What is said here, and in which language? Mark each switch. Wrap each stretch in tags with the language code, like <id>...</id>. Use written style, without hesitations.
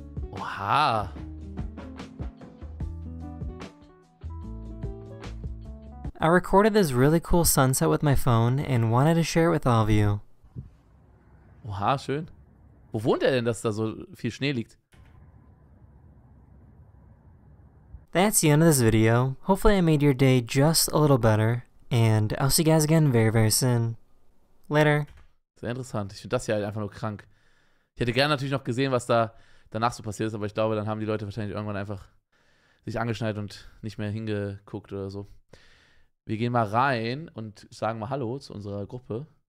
<en>Oha. I I recorded this really cool sunset with my phone and wanted to share it with all of you.</en> <de>Oha, schön. Wo wohnt er denn, dass da so viel Schnee liegt?</de> <en>That's the end of this video. Hopefully I made your day just a little better. And I'll see you guys again very, very soon. Later.</en> <de>Sehr interessant. Ich finde das hier halt einfach nur krank. Ich hätte gerne natürlich noch gesehen, was da danach so passiert ist, aber ich glaube, dann haben die Leute wahrscheinlich irgendwann einfach sich angeschnallt und nicht mehr hingeguckt oder so. Wir gehen mal rein und sagen mal Hallo zu unserer Gruppe.</de>